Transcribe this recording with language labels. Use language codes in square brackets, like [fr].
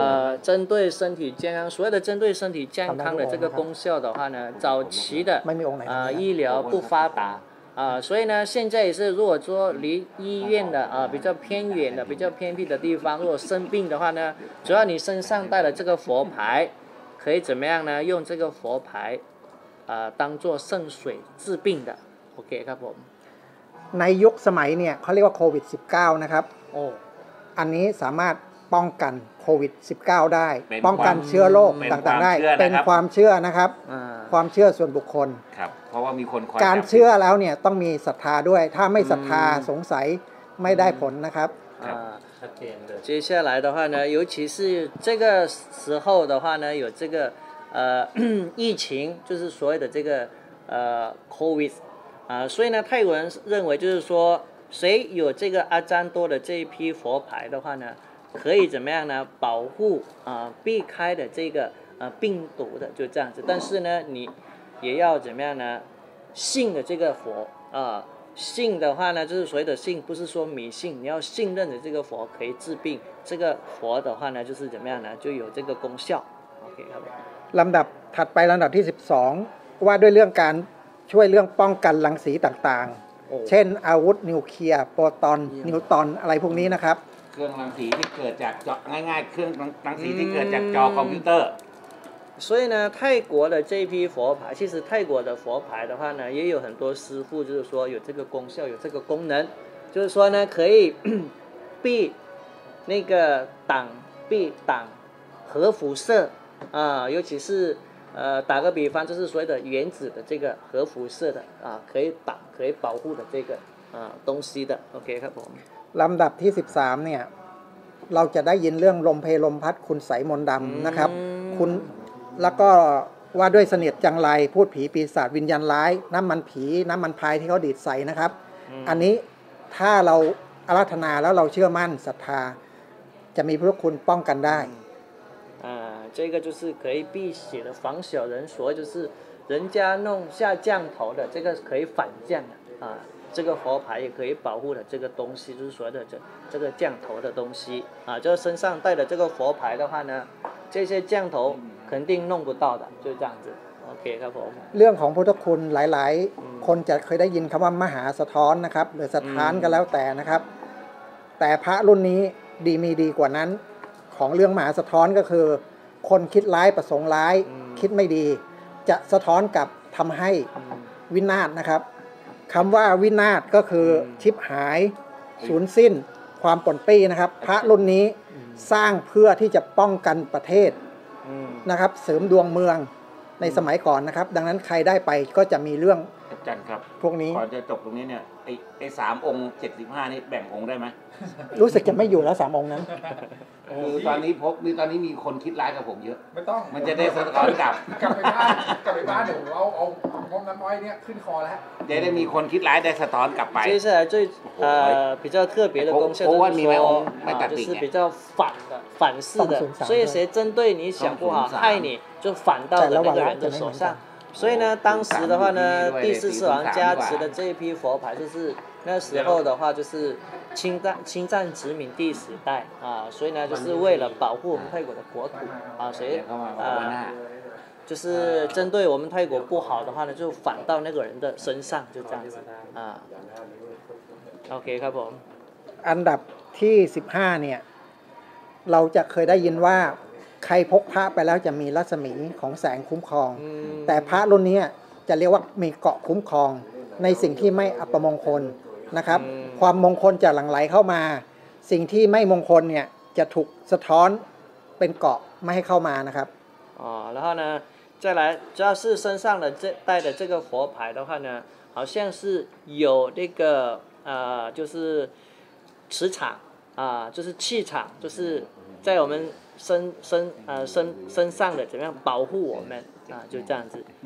[zh] น针对身体健康所谓的针对身体健康的这个功效的话呢早期的医疗不发达所以呢现在也是如果说离医院的比较偏远的比较偏僻的地方如果生病的话呢只要你身上带了这个佛牌可以怎么样呢用这个佛牌当做圣水治病的 OK [th] ครับผม ในยุคสมัยเนี่ยเขาเรียกว่าโควิด19นะครับอันนี้สามารถป้องกันโควิด19ได้ป้องกันเชื้อโรคต่างๆได้ เป็ นความเชื่อนะครับความเชื่อส่วนบุคคล ครับเพราะว่ามีคน การเชื่อแล้วเนี่ยต้องมีศรัทธาด้วยถ้าไม่ศรัทธาสงสัยไม่ได้ผลนะครับ ชัดเจนเลย [zh] 接下来的话呢尤其是这个时候的话呢有这个疫情就是所谓的这个 covid所以呢泰国人认为就是说谁有这个阿旃多的这一批佛牌的话呢可以怎么样呢保护避开的这个病毒的就这样子但是呢你也要怎么样呢信的这个佛信的话呢就是所谓的信不是说迷信你要信任的这个佛可以治病这个佛的话呢就是怎么样呢就有这个功效 OK [th] ลำดับถัดไปลำดับที่12ว่าด้วยเรื่องการช่วยเรื่องป้องกันรังสีต่างๆเช่นอาวุธนิวเคลียร์โปรตอนนิวตรอนอะไรพวกนี้นะครับ เครื่องรังสีที่เกิดจากจอง่ายๆเครื่องรังสีที่เกิดจากจอคอมพิวเตอร์ [zh] 所以呢泰国的这批佛牌其实泰国的佛牌的话呢也有很多师傅就是说有这个功效有这个功能就是说呢可以避那个挡避挡核辐射尤其是打个比方就是所谓的原子的这个核辐射的可以挡可以保护的这个东西的 OK [th] ครับผม ลำดับที่13เนี่ยเราจะได้ยินเรื่องลมเพลมพัดคุณไสมนต์ดำนะครับคุณแล้วก็ว่าด้วยเสนียดจังไรพูดผีปีศาจวิญญาณร้ายน้ำมันผีน้ำมันพายที่เขาดีดใส่นะครับ อันนี้ถ้าเราอาราธนาแล้วเราเชื่อมั่นศรัทธาจะมีพระคุณป้องกันได้ [zh] 这个就是可以避邪的防小人所以就是人家弄下降头的这个可以反降的这个佛牌也可以保护的这个东西就是所谓的这个降头的东西就身上带的这个佛牌的话呢这些降头可肯定弄不到的，就这样子。 [th] OK ครับผม เรื่องของพุทธคุณหลายๆคนจะเคยได้ยินคำว่ามหาสะท้อนนะครับหรือสะท้านก็แล้วแต่นะครับแต่พระรุ่นนี้ดีมีดีกว่านั้นของเรื่องมหาสะท้อนก็คือคนคิดร้ายประสงค์ร้ายคิดไม่ดีจะสะท้อนกับทำให้ วินาศนะครับคำว่าวินาศก็คือชิบหายสูญสิ้นความป่นปี้นะครับพระรุ่นนี้สร้างเพื่อที่จะป้องกันประเทศนะครับเสริมดวงเมืองในสมัยก่อนนะครับดังนั้นใครได้ไปก็จะมีเรื่อง อาจารย์ครับ พวกนี้ ขอจะจบตรงนี้เนี่ยไอ้3องค์75นี่แบ่งองค์ได้มั้ย รู้สึกจะไม่อยู่แล้ว3องค์นั้น คือตอนนี้มีคนคิดร้ายกับผมเยอะ ไม่ต้อง มันจะได้สะท้อนกลับ กลับไปบ้านเดี๋ยวเอาห้องน้ำน้อยเนี่ยขึ้นคอแล้ว จะได้มีคนคิดร้ายได้สะท้อนกลับไป ใช่ใช่ [zh] 比较特别的公社就是说我们就是比较反思的所以谁针对你想不好害你就反到了那个人的手上所以呢当时的话呢第四次王加持的这一批佛牌就是那时候的话就是侵占殖民地时代啊所以呢就是为了保护我们泰国的国土啊所以就是针对我们泰国不好的话呢就反到那个人的身上就这样子啊 OK [th] ครับผม อันดับที่15เนี่ยเราจะเคยได้ยินว่าใครพกพระไปแล้วจะมีรัศมีของแสงคุ้มครองแต่พระรุ่นนี้จะเรียกว่ามีเกราะคุ้มครองในสิ่งที่ไม่อัปมงคลนะครับความมงคลจะหลั่งไหลเข้ามาสิ่งที่ไม่มงคลเนี่ยจะถูกสะท้อนเป็นเกราะไม่ให้เข้ามานะครับ อ๋อแล้วนะ [zh] 再来只要是身上的这带的这个佛牌的话呢好像是有那个就是磁场就是气场就是在我们身上的怎么样保护我们就这样子